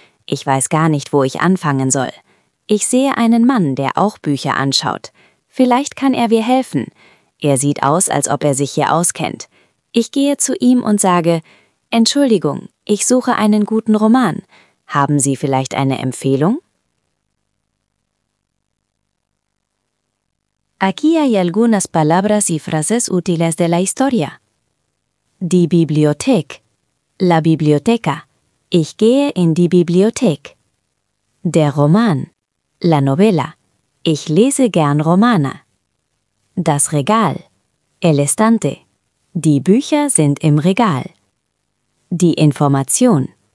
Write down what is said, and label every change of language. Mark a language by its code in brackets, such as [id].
[de] Ich weiß gar nicht, wo ich anfangen soll. Ich sehe einen Mann, der auch Bücher anschaut. Vielleicht kann er mir helfen. Er sieht aus, als ob er sich hier auskennt. Ich gehe zu ihm und sage, Entschuldigung, ich suche einen guten Roman. Haben Sie vielleicht eine Empfehlung? [es] Aquí hay algunas palabras y frases útiles de la historia. [de] Die Bibliothek. [es] La biblioteca. [de] Ich gehe in die Bibliothek. Der Roman. [es] La novela. [de] Ich lese gern Romane. Das Regal. [es] El estante. [de] Die Bücher sind im Regal. Die Information.